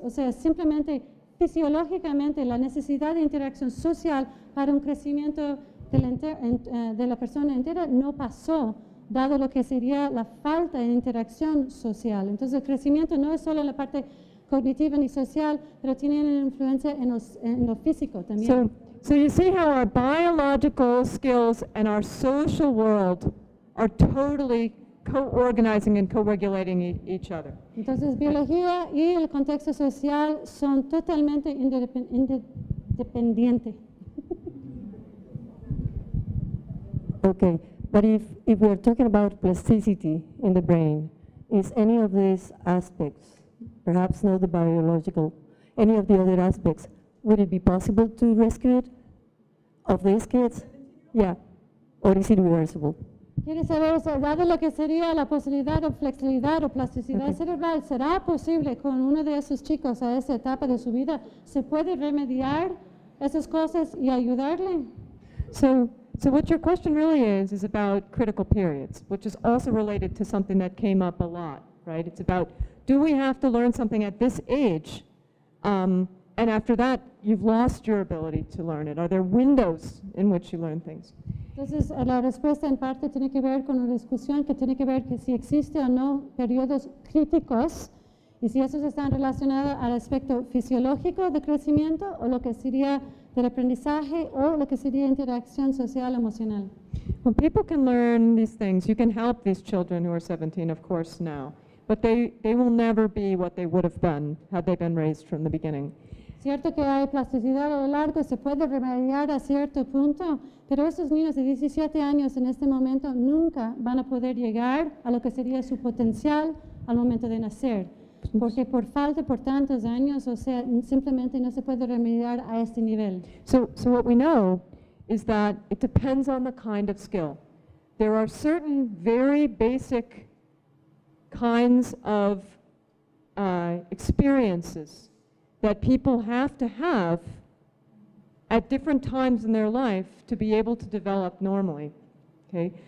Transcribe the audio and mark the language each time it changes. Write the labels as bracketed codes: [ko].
[es] O sea, simplemente fisiológicamente la necesidad de interacción social para un crecimiento de la persona entera no pasó, dado lo que sería la falta de interacción social. Entonces, el crecimiento no es solo en la parte cognitiva ni social, pero tiene una influencia en lo físico también. [en] So you see how our biological skills and our social world are totally co-organizing and co-regulating each other. [es] Entonces, biología y el contexto social son totalmente interdependientes. [en] Okay, but if we are talking about plasticity in the brain, is any of these aspects, perhaps not the biological, any of the other aspects, would it be possible to rescue it? Of these kids, yeah, or is it reversible? [es] ¿Quieres saber, o sea, dado lo que sería la posibilidad o flexibilidad o plasticidad cerebral, será posible con uno de esos chicos a esa etapa de su vida, se puede remediar esas cosas y ayudarle? [en] So what your question really is about critical periods, which is also related to something that came up a lot, right? It's about, do we have to learn something at this age? And after that, you've lost your ability to learn it. Are there windows in which you learn things? [es] Entonces, la respuesta en parte tiene que ver con una discusión que tiene que ver que si existe o no periodos críticos y si esos están relacionados al aspecto fisiológico de crecimiento o lo que sería del aprendizaje o lo que sería interacción social emocional. [en] When people can learn these things, you can help these children who are 17, of course, now. But they will never be what they would have been had they been raised from the beginning. [es] Cierto que hay plasticidad a lo largo, se puede remediar a cierto punto, pero esos niños de 17 años en este momento nunca van a poder llegar a lo que sería su potencial al momento de nacer, porque por falta por tantos años, o sea, simplemente no se puede remediar a este nivel. [en] So what we know is that it depends on the kind of skill. There are certain very basic kinds of experiences that people have to have at different times in their life to be able to develop normally, okay?